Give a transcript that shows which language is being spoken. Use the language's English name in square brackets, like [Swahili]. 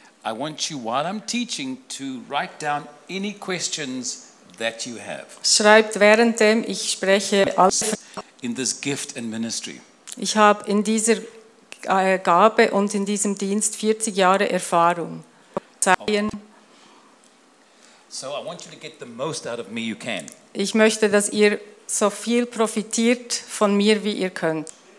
[English] I want you, while I'm teaching, to write down any questions that you have. [German] Schreibt währenddem ich spreche [English] in this gift and ministry. [German] Ich habe in dieser Gabe und in diesem Dienst 40 Jahre Erfahrung. [English] So I want you to get the most out of me you can. [German] Ich möchte, dass ihr so viel profitiert von mir, wie ihr könnt.